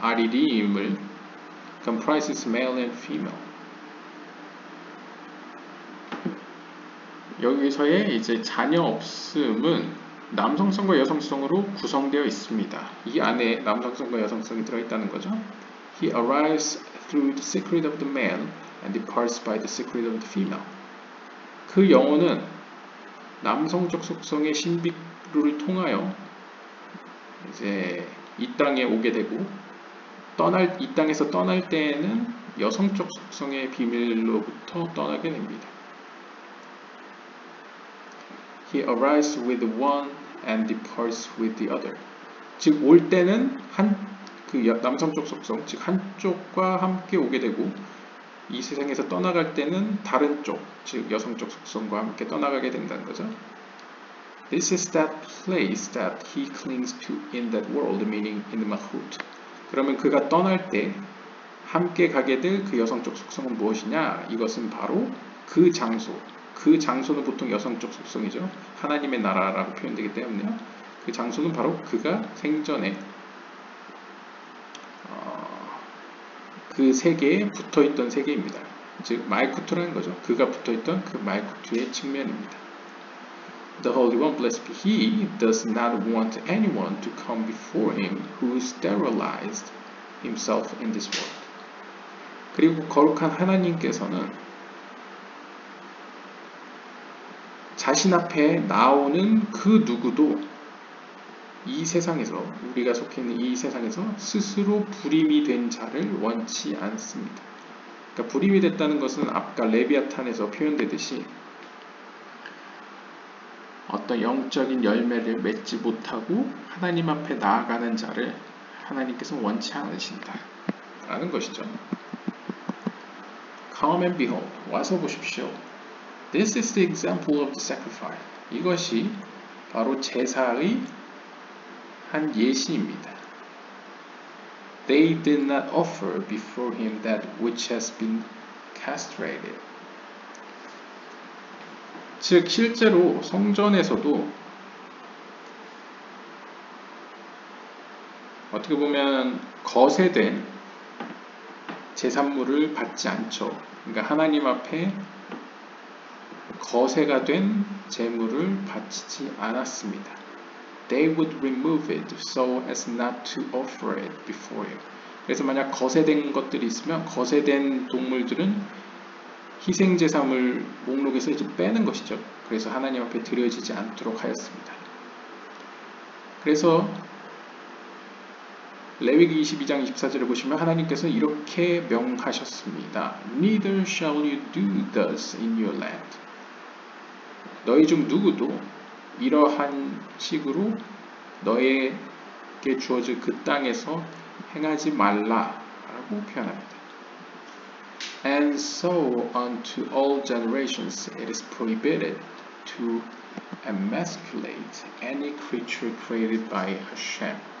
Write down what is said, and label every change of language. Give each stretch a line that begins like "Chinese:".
Korean: 아리림을
English: comprises male and female.
Korean: 여기서의 이제 자녀 없음은 남성성과 여성성으로 구성되어 있습니다. 이 안에 남성성과 여성성이 들어있다는 거죠.
English: He arrives through the secret of the male and departs by the secret of the female.
Korean: 그 영혼은 남성적 속성의 신비로를 통하여 이제 이 땅에 오게 되고 떠날 이 땅에서 떠날 때에는 여성적 속성의 비밀로부터 떠나게 됩니다.
English: He arrives with one and departs with the other.
Korean: 즉, 올 때는 남성적 속성, 즉 한쪽과 함께 오게 되고 이 세상에서 떠나갈 때는 다른 쪽, 즉 여성적 속성과 함께 떠나가게 된다는 거죠.
English: This is that place that he clings to in that world, meaning in the Mahout.
Korean: 그러면 그가 떠날 때 함께 가게 될그 여성적 속성은 무엇이냐? 이것은 바로 그 장소. 그 장소는 보통 여성적 속성이죠. 하나님의 나라라고 표현되기 때문에요. 그 장소는 바로 그가 생전에 그 세계에 붙어있던 세계입니다. 즉 말쿠트라는 거죠. 그가 붙어있던 그 말쿠트의 측면입니다.
English: The Holy One, blessed be He, does not want anyone to come before Him who sterilized himself in this world.
Korean: 그리고 거룩한 하나님께서는 자신 앞에 나오는 그 누구도 이 세상에서, 우리가 속해 있는 이 세상에서 스스로 불임이 된 자를 원치 않습니다. 그러니까 불임이 됐다는 것은 아까 레비아탄에서 표현되듯이 어떤 영적인 열매를 맺지 못하고 하나님 앞에 나아가는 자를 하나님께서 원치 않으신다라는 것이죠.
English: Come and behold,
Korean: 와서 보십시오.
English: This is the example of the sacrifice.
Korean: 이것이 바로 제사의 한 예시입니다.
English: They did not offer before him that which has been castrated.
Korean: 즉, 실제로 성전에서도 어떻게 보면 거세된 제산물을 받지 않죠. 그러니까 하나님 앞에 거세가 된 제물을 바치지 않았습니다.
English: They would remove it so as not to offer it before you.
Korean: 그래서 만약 거세된 것들이 있으면 거세된 동물들은 희생 제사물 목록에서 이제 빼는 것이죠. 그래서 하나님 앞에 드려지지 않도록 하였습니다. 그래서 레위기 22장 24절을 보시면 하나님께서 이렇게 명하셨습니다.
English: Neither shall you do thus in your land.
Korean: 너희 중 누구도 이러한 식으로 너에게 주어질 그 땅에서 행하지 말라라고 표현합니다.
English: And so unto all generations it is prohibited to emasculate any creature created by Hashem.